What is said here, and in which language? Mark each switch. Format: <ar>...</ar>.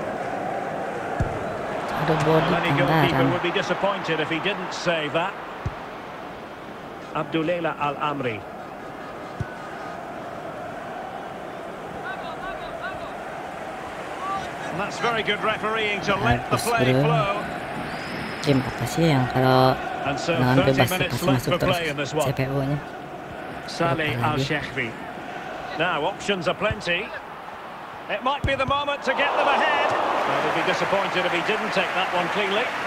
<en>Many goalkeeper would be disappointed if he didn't save that. Abdulela Al Amri. That's very good refereeing to let the play flow.</en> <id>Game apa sih yang kalau nangan bebas pasti masuk terus CPU-nya.</id> <en>Saleh Al Shehri. Now options are plenty. It might be the moment to get them ahead. I would be disappointed if he didn't take that one cleanly.</en>